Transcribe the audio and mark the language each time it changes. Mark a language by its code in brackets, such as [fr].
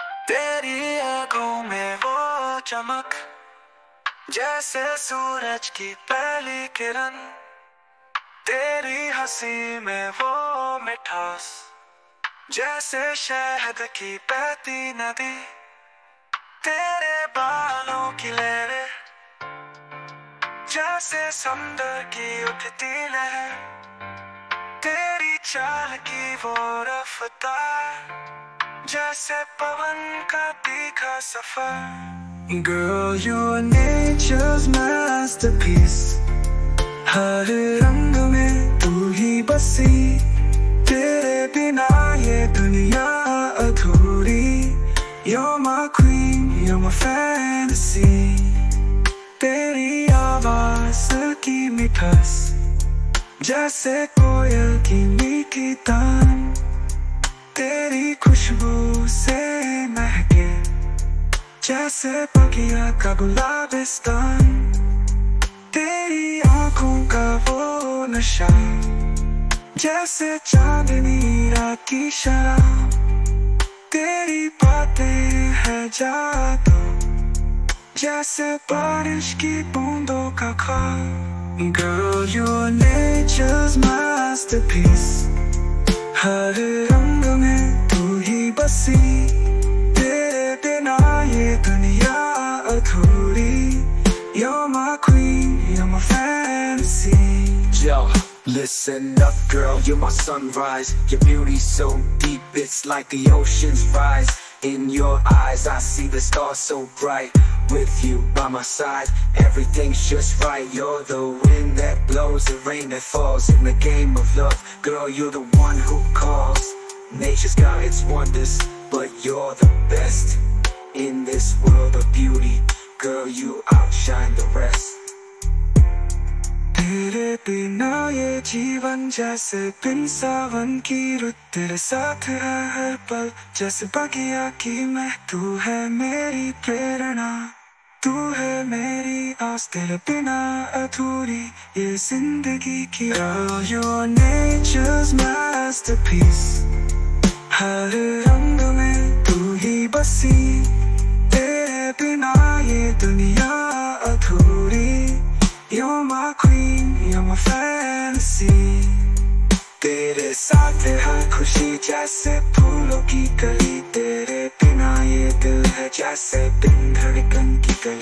[hi] तेरी आंखों में वो चमक जैसे सूरज की पहली किरण, तेरी हंसी में वो मिठास जैसे शहद की बहती नदी, तेरे बालों की लहर जैसे समुद्र की उठती लहर, तेरी चाल की वो रफ्तार जैसे पवन का तीखा सफर. [en] Girl, you're nature's masterpiece. [hi] हर रंग में तू ही बसी, तेरे बिना ये दुनिया अधूरी. [en] You're my queen, you're my fantasy. [hi] तेरी आवाज की मिठास जैसे कोयल की मीठी तान, तेरी खुशबू से महके जैसे बगिया का गुलाबिस्तान, तेरी आंखों का वो नशा जैसे चांदनी रात की शराब, तेरी बातें है जादू जैसे बारिश की बूंदों का खाब. [en] Girl, you're nature's masterpiece. [hi] हर रंग में तू ही बसी, तेरे बिना ये दुनिया अधूरी. [en] You're my queen, you're my fantasy. Yo, listen up girl, you're my sunrise. Your beauty's so deep, it's like the ocean's rise. In your eyes, I see the stars so bright. With you by my side, everything's just right. You're the wind that blows, the rain that falls. In the game of love, girl, you're the one who calls. Nature's got its wonders, but you're the best. In this world of beauty, girl, you outshine the rest. [hi] तेरे बिना ये जीवन जैसे बिन सावन की रुत, तेरे साथ है हर पल जैसे बगिया की मह. तू है मेरी प्रेरणा, तू है मेरी आस, तेरे बिना अधूरी ये जिंदगी की. [en] Girl, you're nature's masterpiece. [hi] हर रंग में तू ही बसी, तेरे बिना ये दुनिया अधूरी. [en] You're my queen, you're my fantasy. [hi] तेरे साथ हर खुशी जैसे फूलों की कली, तेरे बिना ये दिल है जैसे बिन धड़कन की कली.